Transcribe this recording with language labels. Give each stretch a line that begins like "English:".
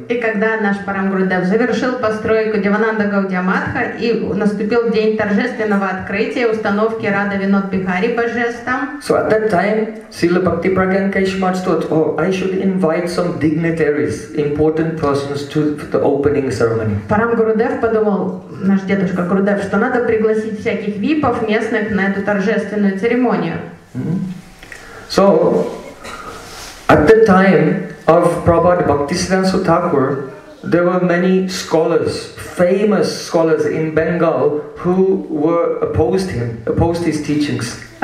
Russian: И когда наш Парамгурудев завершил постройку Девананда Гаудия Матха и наступил день торжественного открытия установки Радха Винод Бихари Божествам.
English: So at that time, Srila Bhakti Pragyan Keshmach thought, oh, I should invite some dignitaries, important persons to the opening ceremony.
Russian: Парамгурудев подумал, наш дедушка Гурудев, что надо пригласить всяких випов местных на эту торжественную церемонию.
English: So, at the time of Prabhupada Bhaktisiddhanta Sutakur, there were many scholars, famous scholars in Bengal, who were opposed his teachings.